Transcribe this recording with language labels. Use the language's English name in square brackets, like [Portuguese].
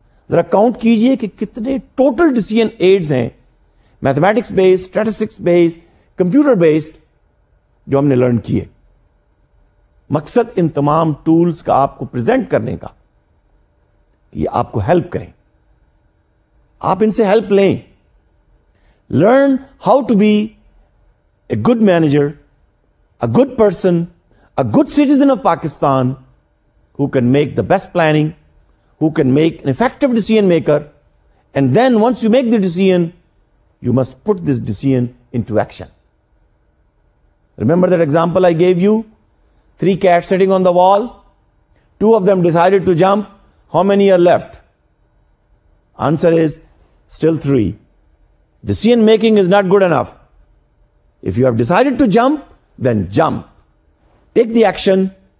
[Urdu] ذرا کاؤنٹ کیجئے کہ کتنے ٹوٹل ڈیسیژن ایڈز ہیں, میتھمیٹکس بیس, اسٹیٹسٹکس بیس, کمپیوٹر بیسڈ, جو ہم نے لرن کیے. مقصد ان تمام ٹولز کا آپ کو پریزنٹ کرنے کا, یہ آپ کو ہیلپ کریں, آپ ان سے ہیلپ لیں. [English] Learn how to be a good manager, a good person, a good citizen of Pakistan, who can make the best planning, who can make an effective decision maker, and then once you make the decision you must put this decision into action. Remember that example I gave you? Three cats sitting on the wall. Two of them decided to jump. How many are left? Answer is still three. Decision making is not good enough. If you have decided to jump, then jump. Take the action.